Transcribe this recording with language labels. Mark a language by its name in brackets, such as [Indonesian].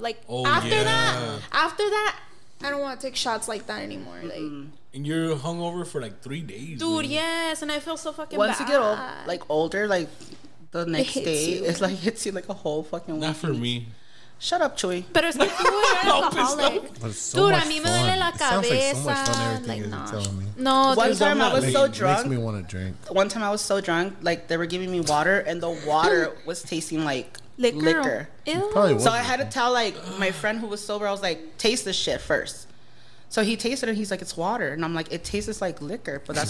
[English] Like, after that, I don't want to take shots like that anymore. Mm-hmm. Like, and you're hungover for like 3 days, dude. Really. Yes, and I feel so fucking once bad. You get old, like, older, like, the next it day, you. It's like hits you like a whole fucking not week. For me. Shut up, Chuy. But it's like, dude, you're an alcoholic. So dude, [Spanish] a mí me duele la cabeza. [English] Like, no. One time I was so drunk. Makes me want to drink. One time I was so drunk, like, they were giving me water, and the water was tasting like liquor. Ew. So I had to tell, like, my friend who was sober, I was like, taste this shit first. So he tasted it, and he's like, it's water. And I'm like, it tastes like liquor, but that's